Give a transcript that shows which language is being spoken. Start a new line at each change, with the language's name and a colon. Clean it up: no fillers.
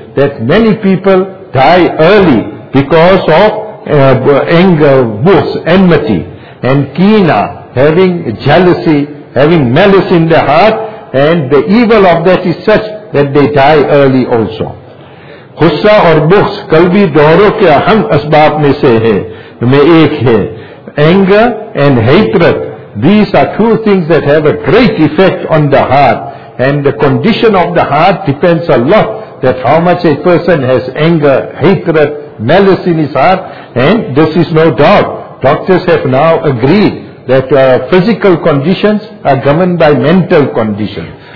English: That many people die early because of anger, بغض, enmity and کینہ, having jealousy, having malice in their heart, and the evil of that is such that they die early also.
Urdu: غصہ اور بغض قلبی دوروں کے اہم اسباب میں سے ہے میں ایک ہے.
English: Anger and hatred, these are two things that have a great effect on the heart, and the condition of the heart depends a lot that how much a person has anger, hatred malice in his heart, and this is no doubt. Doctors have now agreed that physical conditions are governed by mental condition.